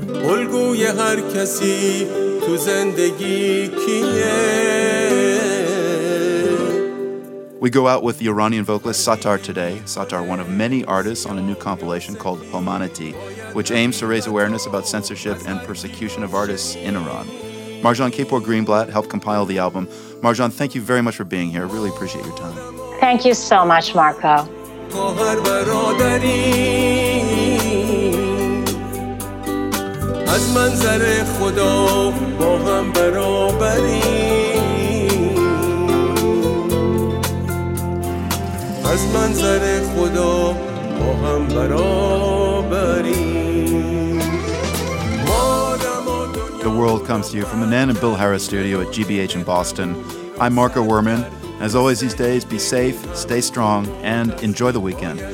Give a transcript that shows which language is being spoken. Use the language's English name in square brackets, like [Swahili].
[Persian] الگوی هر کسی تو زندگی کیه. [English] We go out with the Iranian vocalist Sattar today. Sattar, one of many artists on a new compilation called Humanity, which aims to raise awareness about censorship and persecution of artists in Iran. Marjan Kapoor Greenblatt helped compile the album. Marjan, thank you very much for being here. I really appreciate your time. Thank you so much, Marco. [Persian] از منظر خدا با هم برابریم، از منظر خدا با هم برابریم. [English] The world comes to you from the Nan and Bill Harris studio at GBH in Boston. I'm Marco Werman. As always these days, be safe, stay strong, and enjoy the weekend.